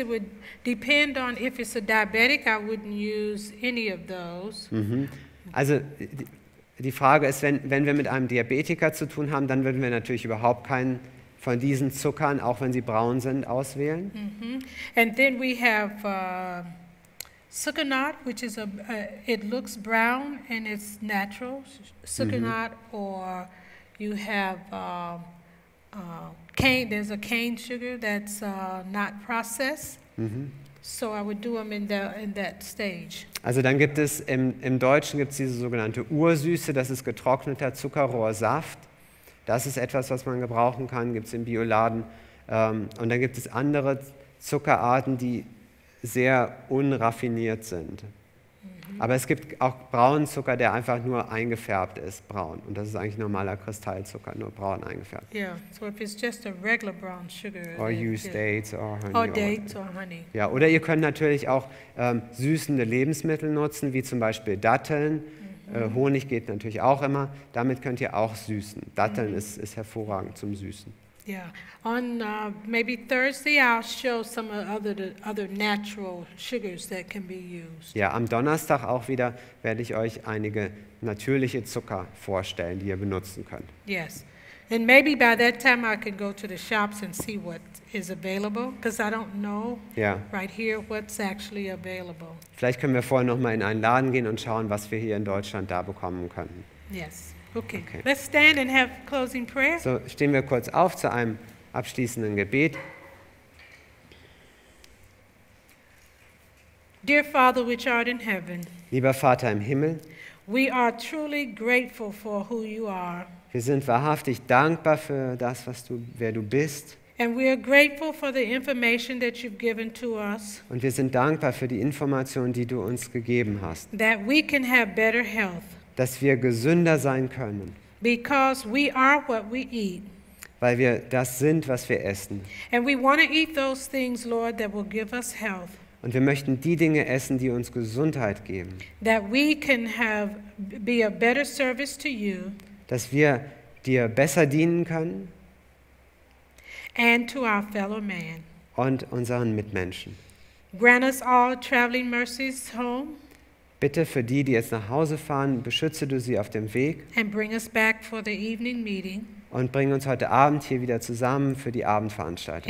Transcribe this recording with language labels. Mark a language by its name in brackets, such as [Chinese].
[English] It would depend on if it's a diabetic, I wouldn't use any of those. Mm-hmm. [German] Also die Frage ist, wenn wir mit einem Diabetiker zu tun haben, dann würden wir natürlich überhaupt keinen von diesen Zuckern, auch wenn sie braun sind, auswählen. Mm-hmm. [English] And then we have Sucanat, which is it looks brown and it's natural. Sucanat, mm-hmm. Or you have cane, there's a cane sugar that's not processed. Mm-hmm. So I would do them in that stage. [German] Also dann gibt es im Deutschen gibt es diese sogenannte Ursüße, das ist getrockneter Zuckerrohrsaft. Das ist etwas, was man gebrauchen kann, gibt es im Bioladen. Und dann gibt es andere Zuckerarten, die sehr unraffiniert sind. Mm-hmm. Aber es gibt auch braunen Zucker, der einfach nur eingefärbt ist, braun. Und das ist eigentlich normaler Kristallzucker, nur braun eingefärbt. [English] Yeah, so if it's just a regular brown sugar. Or use dates or honey. Or dates or honey. [German] Ja, oder ihr könnt natürlich auch süßende Lebensmittel nutzen, wie zum Beispiel Datteln. Mm-hmm. Honig geht natürlich auch immer. Damit könnt ihr auch süßen. Datteln mm-hmm. ist hervorragend zum Süßen. [English] Yeah, on maybe Thursday I'll show some of the other natural sugars that can be used. [German] Ja, am Donnerstag auch wieder werde ich euch einige natürliche Zucker vorstellen, die ihr benutzen könnt. [English] Yes, and maybe by that time I can go to the shops and see what is available, because I don't know right here what's actually available. [German] Vielleicht können wir vorher noch mal in einen Laden gehen und schauen, was wir hier in Deutschland da bekommen können. [English] Yes. Okay. Let's stand and have closing prayer. [German] So stehen wir kurz auf zu einem abschließenden Gebet. [English] Dear Father, which art in heaven. [German] Lieber Vater im Himmel. [English] We are truly grateful for who you are. [German] Wir sind wahrhaftig dankbar für das, wer du bist. [English] And we are grateful for the information that you've given to us. [German] Und wir sind dankbar für die Information, die du uns gegeben hast. [English] That we can have better health. [German] Dass wir gesünder sein können. [English] Because we are what we eat. [German] Weil wir das sind, was wir essen. [English] And we want to eat those things, Lord, that will give us health. [German] Und wir möchten die Dinge essen, die uns Gesundheit geben. [English] That we can have be a better service to you. [German] Dass wir dir besser dienen können. [English] And to our fellow man. [German] Und unseren Mitmenschen. [English] Grant us all traveling mercies home. [German] Bitte für die, die jetzt nach Hause fahren, beschütze du sie auf dem Weg. [English] And bring us back for the evening meeting. [German] Und bring uns heute Abend hier wieder zusammen für die Abendveranstaltung.